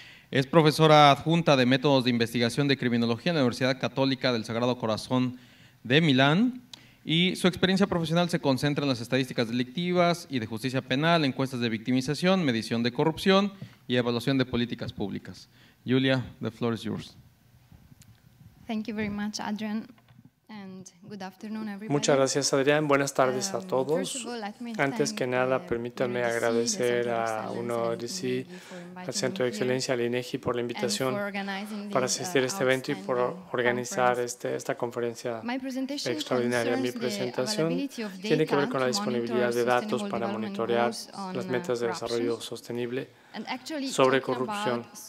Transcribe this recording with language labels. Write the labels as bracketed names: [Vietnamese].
[Spanish] Es profesora adjunta de métodos de investigación de criminología en la Universidad Católica del Sagrado Corazón de Milán. Y su experiencia profesional se concentra en las estadísticas delictivas y de justicia penal, encuestas de victimización, medición de corrupción y evaluación de políticas públicas. [English] Giulia, the floor is yours. Thank you very much, Adrian. And good afternoon, everybody. [Spanish] Muchas gracias, Adrián. Buenas tardes a todos. Antes que nada, permítanme agradecer a UNODC, al Centro de Excelencia, al INEGI, por la invitación para asistir a este evento y por organizar esta conferencia extraordinaria. Mi presentación tiene que ver con la disponibilidad de datos para monitorear las metas de desarrollo sostenible sobre corrupción.